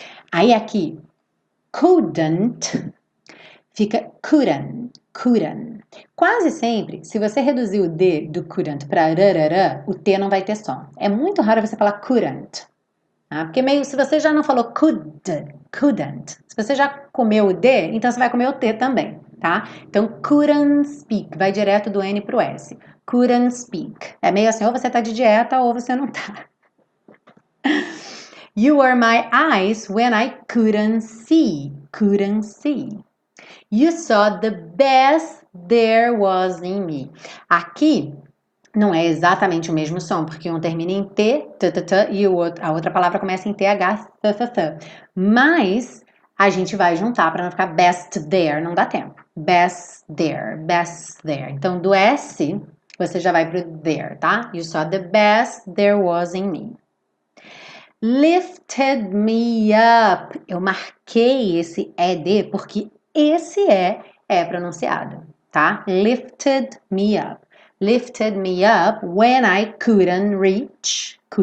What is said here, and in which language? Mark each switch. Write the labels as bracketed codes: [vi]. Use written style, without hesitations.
[pt] Aí, aqui, couldn't fica couldn't. Quase sempre, se você reduzir o D do couldn't para rarara, o T não vai ter som. É muito raro você falar couldn't. Tá? Porque meio, se você já não falou couldn't, se você já comeu o D, então você vai comer o T também, tá? Então, couldn't speak, vai direto do N pro S. Couldn't speak. É meio assim, ou você tá de dieta ou você não tá. [en] You were my eyes when I couldn't see. Couldn't see. You saw the best there was in me. [pt] Aqui não é exatamente o mesmo som, porque um termina em T, t, t, t, e o outro, a outra palavra começa em TH, t, t, t. Mas a gente vai juntar para não ficar [en] best there, [pt] não dá tempo. [en] Best there. [pt] Então, do S, você já vai pro there, tá? [en] You saw the best there was in me. Lifted me up. [pt] Eu marquei esse ED porque esse é pronunciado, tá? [en] Lifted me up. Lifted me up when I couldn't reach.